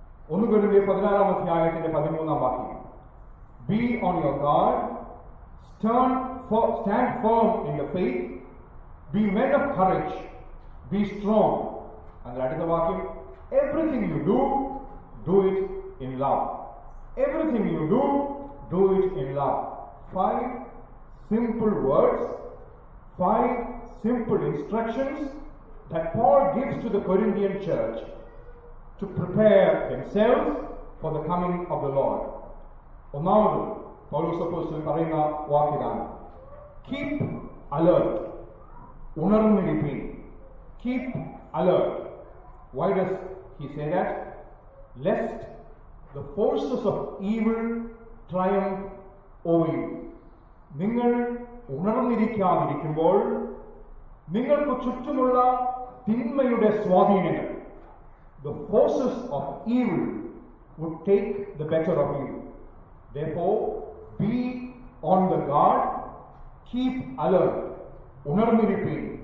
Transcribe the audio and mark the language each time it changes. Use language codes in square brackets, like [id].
[en] 1 Corinthians 16:13. Be on your guard, stand firm in your faith, be men of courage, be strong. [ml] അങ്ങനെ അടുത്ത വാക്യം, [en] Everything you do, do it in love. Everything you do, do it in love. 5 simple words, 5 simple instructions that Paul gives to the Corinthian church to prepare themselves for the coming of the Lord. [ml] ഒന്നാമത് പൗലോസ് അപ്പോസ്തലൻ പറയുന്ന വാക്കിലാണ് [en] Keep alert. [ml] ഉണർന്നിരിപ്പീൻ. [en] Keep alert. Why does he say that? Lest the forces of evil triumph over you. [ml] നിങ്ങൾ ഉണർന്നിരിക്കാതിരിക്കുമ്പോൾ നിങ്ങൾക്ക് ചുറ്റുമുള്ള തിന്മയുടെ സ്വാധീനങ്ങൾ [en] The forces of evil would take the better of you. Therefore, be on the guard. Keep alert. [ml] ഉണർന്നിരിപ്പീൻ.